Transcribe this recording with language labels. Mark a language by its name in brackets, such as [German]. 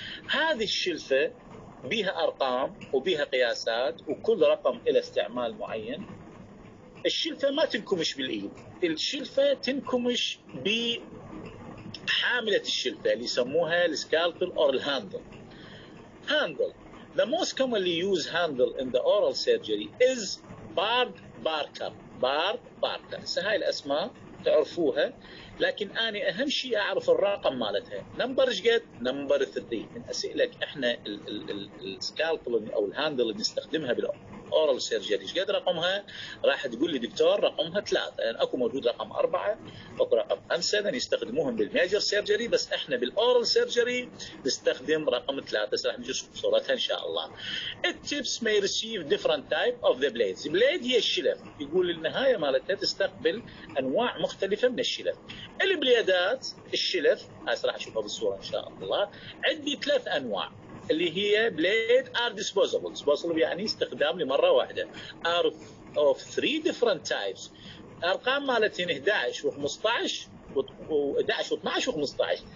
[Arabic] هذه الشلفة بها أرقام وبها قياسات وكل رقم إلى استعمال معين. الشلفة ما تنكمش بالإيد، الشلفة تنكمش بحاملة الشلفة اللي يسموها السكالبل أو الهاندل. [English] Handle the most commonly used handle in the oral surgery is Bard Barker. Bard Barker. [Arabic] هاي الأسماء تعرفوها، لكن أنا أهم شيء أعرف الرقم مالتها. نمبر شقد؟ نمبر 3. من أسئلك إحنا السكالبل أو الهاندل اللي نستخدمها بالأورال سيرجري شقد رقمها؟ راح تقول لي دكتور رقمها 3، لأن أكو موجود رقم 4 أكو رقم 5 نستخدموهم بالميجر سيرجري، بس إحنا بالأورال سيرجري نستخدم رقم 3. بس راح نشوف صورتها إن شاء الله. [English] التيبس may receive different type of the blades. [Arabic] بليد هي الشلف، يقول النهاية مالتها تستقبل أنواع مختلفة من الشلف. البليادات الشلف هسه راح اشوفها بالصوره ان شاء الله، عندي ثلاث انواع اللي هي بليد ار ديسبوزابل. ديسبوزابل يعني استخدام لمره واحده. [English] are of 3 different types, [Arabic] ارقام مالتين 11 و12 و15.